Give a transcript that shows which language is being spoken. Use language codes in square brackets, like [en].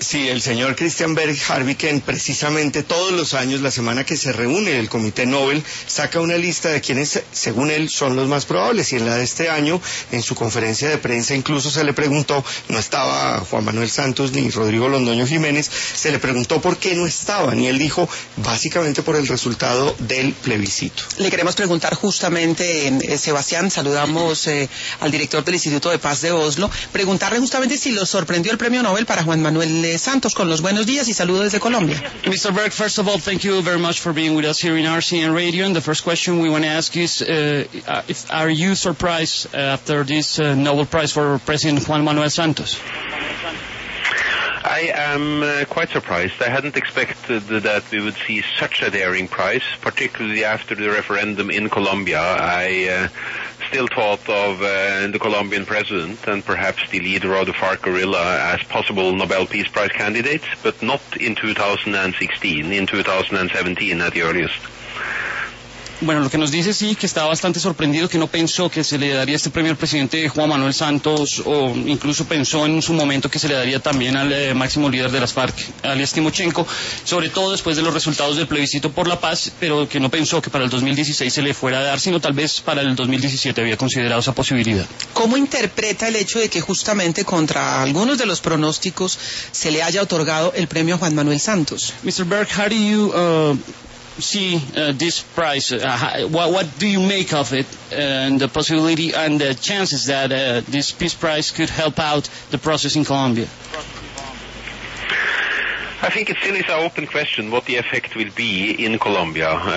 [es] Sí, el señor Christian Berg-Harviken, precisamente todos los años, la semana que se reúne el Comité Nobel, saca una lista de quienes, según él, son los más probables, y en la de este año, en su conferencia de prensa, incluso se le preguntó, no estaba Juan Manuel Santos ni Rodrigo Londoño Jiménez, se le preguntó por qué no estaban, y él dijo, básicamente por el resultado de el plebiscito. Le queremos preguntar justamente, Sebastián, saludamos al director del Instituto de Paz de Oslo, preguntarle justamente si lo sorprendió el premio Nobel para Juan Manuel Santos. Con los buenos días y saludos desde Colombia. [en] Mr. Berg, first of all, thank you very much for being with us here in RCN Radio. And the first question we want to ask is, if, are you surprised after this Nobel Prize for President Juan Manuel Santos? I am quite surprised. I hadn't expected that we would see such a daring prize, particularly after the referendum in Colombia. I still thought of the Colombian president and perhaps the leader of the FARC guerrilla as possible Nobel Peace Prize candidates, but not in 2016, in 2017 at the earliest. [es] Bueno, lo que nos dice, sí, que está bastante sorprendido, que no pensó que se le daría este premio al presidente Juan Manuel Santos, o incluso pensó en su momento que se le daría también al máximo líder de las FARC, alias Timochenko, sobre todo después de los resultados del plebiscito por la paz, pero que no pensó que para el 2016 se le fuera a dar, sino tal vez para el 2017 había considerado esa posibilidad. ¿Cómo interpreta el hecho de que justamente contra algunos de los pronósticos se le haya otorgado el premio a Juan Manuel Santos? [en] Mr. Berg, how do you see this prize, what do you make of it, and the possibility and the chances that this peace prize could help out the process in Colombia? I think it still is an open question what the effect will be in Colombia.